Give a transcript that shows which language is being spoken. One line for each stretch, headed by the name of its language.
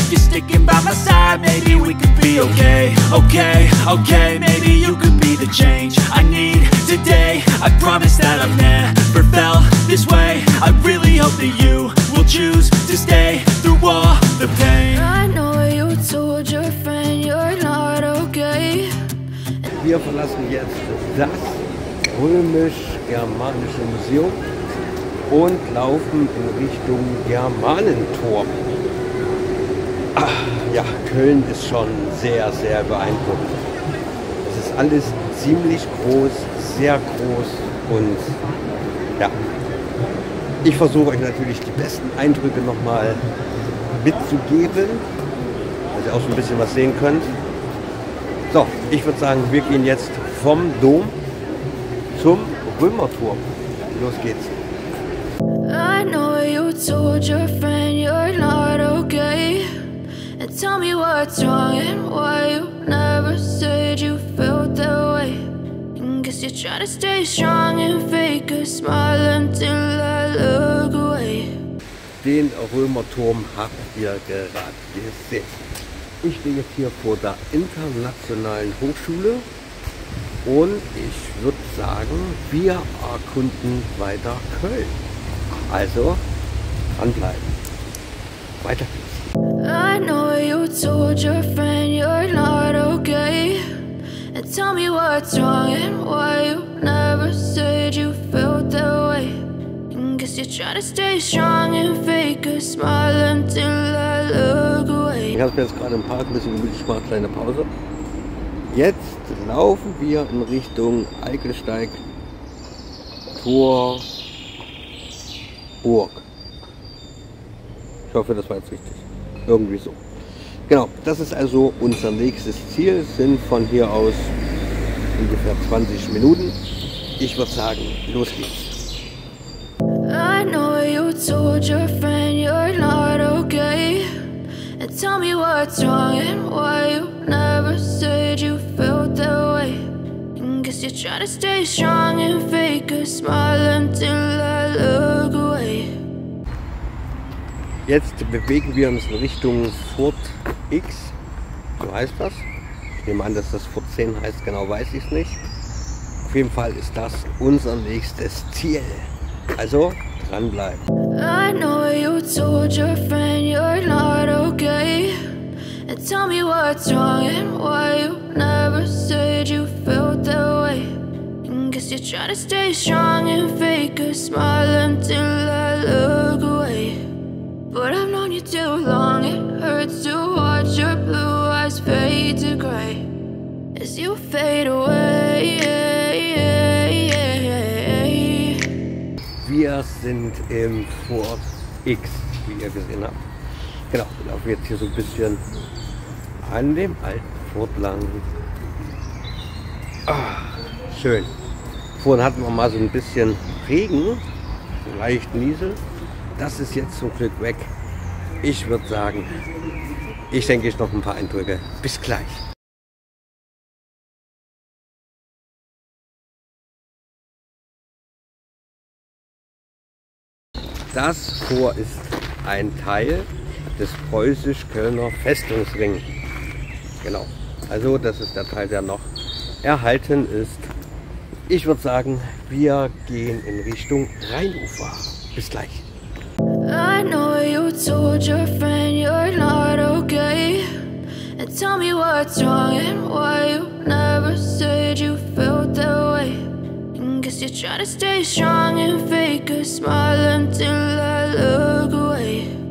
English: If you're sticking by my side, maybe we could be okay. Okay, okay, maybe you could be the change I need today. I promise that I've never felt this way. I really hope that you will choose to stay through all the pain. I know you told your friend you're not okay.
German: Wir verlassen jetzt das römisch-germanische Museum und laufen in Richtung Germanentor. Ach ja, Köln ist schon sehr, sehr beeindruckend. Es ist alles ziemlich groß, sehr groß und ja, ich versuche euch natürlich die besten Eindrücke nochmal mitzugeben, dass ihr auch so ein bisschen was sehen könnt. So, ich würde sagen, wir gehen jetzt vom Dom zum Römertor. Los geht's.
English: I know you told your friend you're not okay. And tell me what's wrong and why you never said you felt that way. And guess you're trying to stay strong and fake a smile until I look away.
German: Den Römerturm habt ihr gerade gesehen. Ich stehe jetzt hier vor der Internationalen Hochschule. Und ich würde sagen, wir erkunden weiter Köln. Also, dranbleiben. Weiter geht's.
English: I know you told your friend you're not okay. And tell me what's wrong and why you never said you felt that way. And guess you're trying to stay strong and fake a smile until I look away.
German: Ich habe jetzt gerade im Park ein bisschen gemütlich gemacht, kleine Pause. Jetzt laufen wir in Richtung Eichelsteig Tor. Burg. Ich hoffe, das war jetzt richtig. Irgendwie so. Genau, das ist also unser nächstes Ziel. Es sind von hier aus ungefähr 20 Minuten. Ich würde sagen, los geht's.
English: I know you told your friend you're not okay. And tell me what's wrong and why you never said you felt that way. And guess you're trying to stay strong and fake a smile until I look away.
German: Jetzt bewegen wir uns in Richtung Fort X, so heißt das. Ich nehme an, dass das Fort 10 heißt, genau weiß ich es nicht. Auf jeden Fall ist das unser nächstes Ziel. Also dranbleiben.
English: I know you told your friend you're not okay. And tell me what's wrong and why you never said you felt that way. And guess you're trying to stay strong and fake a smile until I look away. But I've known you too long, it hurts to watch your blue eyes fade to gray as you fade away, yeah, yeah, yeah, yeah,
German: Wir sind im Fort X, wie ihr gesehen habt. Genau, wir laufen jetzt hier so ein bisschen an dem alten Fort lang. Ach, schön. Vorhin hatten wir mal so ein bisschen Regen, leicht Niesel. Das ist jetzt zum Glück weg. Ich würde sagen, ich denke ich noch ein paar Eindrücke. Bis gleich. Das Tor ist ein Teil des Preußisch-Kölner Festungsring. Genau. Also das ist der Teil, der noch erhalten ist. Ich würde sagen, wir gehen in Richtung Rheinufer. Bis gleich.
English: I know you told your friend you're not okay. And tell me what's wrong and why you never said you felt that way. Guess you're trying to stay strong and fake a smile until I look away.